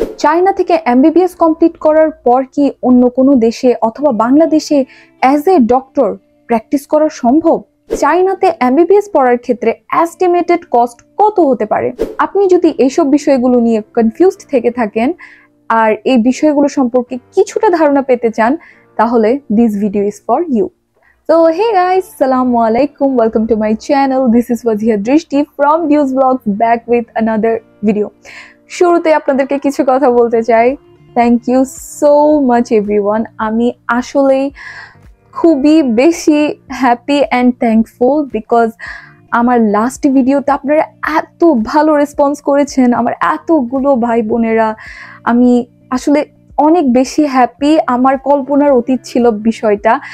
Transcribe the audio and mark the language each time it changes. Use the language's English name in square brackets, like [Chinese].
[Bangla] China থেকে MBBS complete করার পর কি অন্য কোনো দেশে অথবা বাংলাদেশে অ্যাজ এ ডক্টর প্র্যাকটিস করা সম্ভব? চায়নাতে এমবিবিএস পড়ার ক্ষেত্রে এস্টিমেটেড কস্ট কত হতে পারে? আপনি যদি এইসব বিষয়গুলো নিয়ে কনফিউজড থেকে থাকেন আর এই বিষয়গুলো সম্পর্কে কিছুটা ধারণা পেতে চান তাহলে [English] This video is for you. So hey guys, assalamu alaikum, welcome to my channel. This is Wazeha Dristy from Dwz Vlogs back with another video. [Bangla] শুরুতে আপনাদেরকে কিছু কথা বলতে চাই। [English] Thank you so much everyone. [Bangla] আমি আসলে খুবই বেশি [English] happy and thankful because [Bangla] আমার লাস্ট ভিডিওতে আপনারা এত ভালো রেসপন্স করেছেন, আমার এতগুলো ভাই বোনেরা। আমি আসলে অনেক বেশি হ্যাপি, আমার কল্পনার অতীত ছিল বিষয়টা।